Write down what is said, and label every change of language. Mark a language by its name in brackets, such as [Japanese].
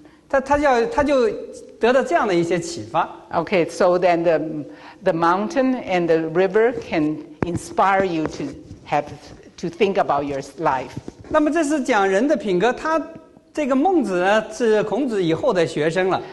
[Chinese] 他就得到这样的一些启发。 [English] Okay, so then the mountain and the river can inspire you to think about your life. [Chinese] 那么这是讲人的品格，他这个孟子呢是孔子以后的学生了。